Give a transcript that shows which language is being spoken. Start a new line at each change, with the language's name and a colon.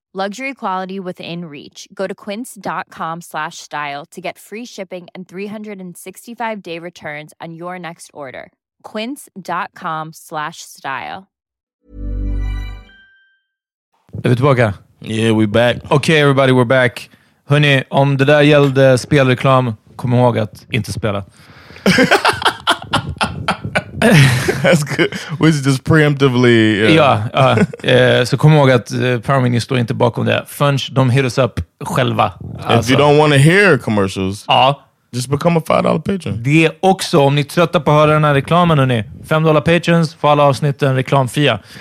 English: Luxury quality within reach. Go to Quince.com/style to get free shipping and 365-day returns on your next order. Quince.com/style.
Swedish: Är vi tillbaka?
English: Yeah, we back. Okay, everybody, we're back.
Swedish: Hörrni, om det där gällde spelreklam, kom ihåg att inte spela.
English: That's good. We're just preemptively...
Swedish: Så kom ihåg att Paramini står inte bakom det.
English: Funch,
Swedish: de
English: hit us up
Swedish: själva.
English: If you don't want to hear commercials, just become a $5 patron.
Swedish: Det är också, om ni är trötta på att höra den här reklamen, hörrni. $5 patrons för alla avsnitten reklamfria.